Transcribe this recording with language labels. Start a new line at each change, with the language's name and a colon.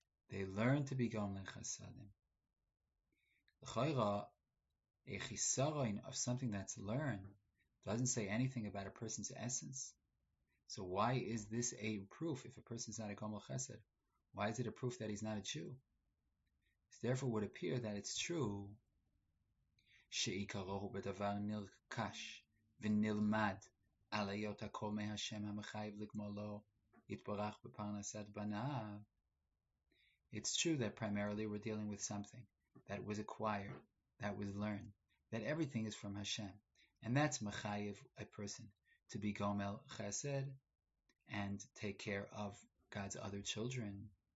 English: They learned to be goyim lechasadim. L'chayra, a chisaron of something that's learned doesn't say anything about a person's essence. So why is this a proof if a person's not a gomel chesed? Why is it a proof that he's not a Jew? It therefore would appear that it's true
Hebrew: שעיקרו הוא בדבר נרכש ונלמד על היות הכל מהשם המחייב לגמולו יתברך בפרנסת בניו.
English: It's true that primarily we're dealing with something that was acquired, that was learned, that everything is from Hashem. And that's mechayev, a person, to be gomel chesed and take care of God's other children.